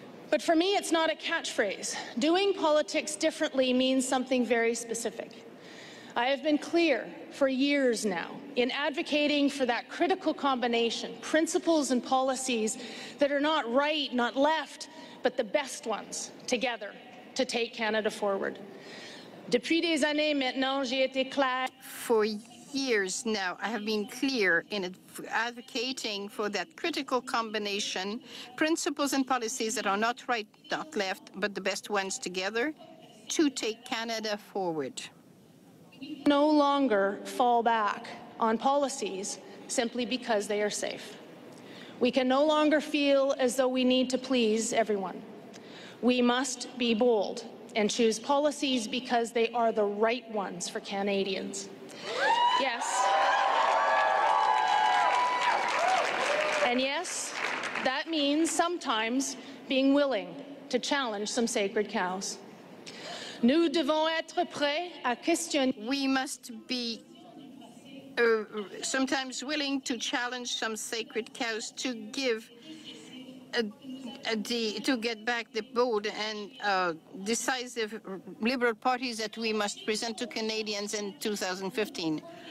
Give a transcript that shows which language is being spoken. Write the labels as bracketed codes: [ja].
[en] But for me, it's not a catchphrase. Doing politics differently means something very specific. I have been clear for years now in advocating for that critical combination, principles and policies that are not right, not left, but the best ones together to take Canada forward. [fr] Depuis des années maintenant, j'ai été claire. [en] For years now, I have been clear in advocating for that critical combination, principles and policies that are not right, not left, but the best ones together to take Canada forward. No longer fall back on policies simply because they are safe. We can no longer feel as though we need to please everyone. We must be bold and choose policies because they are the right ones for Canadians. Yes. And yes, that means sometimes being willing to challenge some sacred cows. [fr] Nous devons être prêts à questionner. [en] We must be sometimes willing to challenge some sacred cows to give to get back the bold and decisive Liberal parties that we must present to Canadians in 2015.